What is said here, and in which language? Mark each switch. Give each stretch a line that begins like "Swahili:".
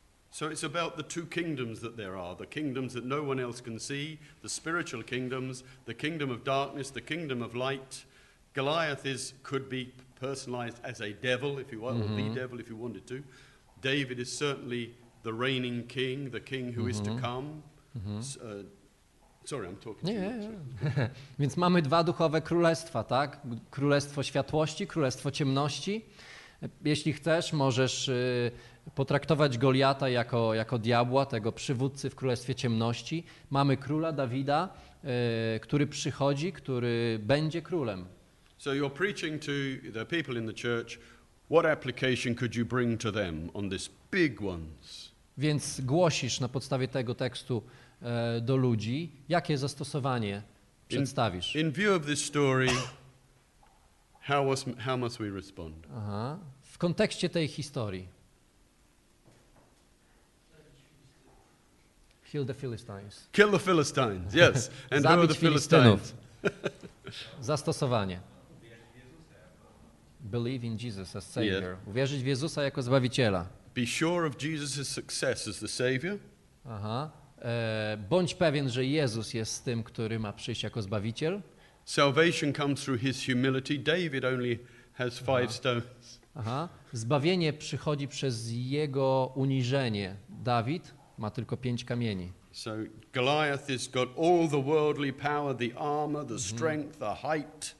English: So it's about the two kingdoms that there are, the kingdoms that no one else can see, the spiritual kingdoms, the kingdom of darkness, the kingdom of light. Goliath is could be personalized as a devil if you want, mm-hmm. or the devil if you wanted to. David is certainly the reigning king, the king who mm-hmm. is to come. Sorry, I'm talking
Polish: nie,
English: to you.
Polish: Nie. Więc mamy dwa duchowe królestwa, tak? Królestwo światłości, królestwo ciemności. Jeśli chcesz, możesz potraktować Goliata jako diabła, tego przywódcy w królestwie ciemności. Mamy króla Dawida, który przychodzi, który będzie królem.
English: So you're preaching to the people in the church. What application could you bring to them on this big ones?
Polish: Więc głosisz na podstawie tego tekstu do ludzi, jakie zastosowanie przedstawisz?
English: In view of this story, how must we respond? Aha.
Polish: W kontekście tej historii.
English: Kill the Philistines. Kill the Philistines, yes. And
Polish: zabić
English: the Philistines.
Polish: Zastosowanie.
English: Believe in Jesus as Savior. Yeah.
Polish: Uwierzyć w Jezusa jako Zbawiciela.
English: Be sure of Jesus' success as the Savior. Aha.
Polish: Bądź pewien, że Jezus jest tym, który ma przyjść jako Zbawiciel.
English: Salvation comes through his humility. David only has five Aha. stones. Aha.
Polish: Zbawienie przychodzi przez jego uniżenie. Dawid ma tylko pięć kamieni.
English: So Goliath has got all the worldly power, the armor, the strength, the height.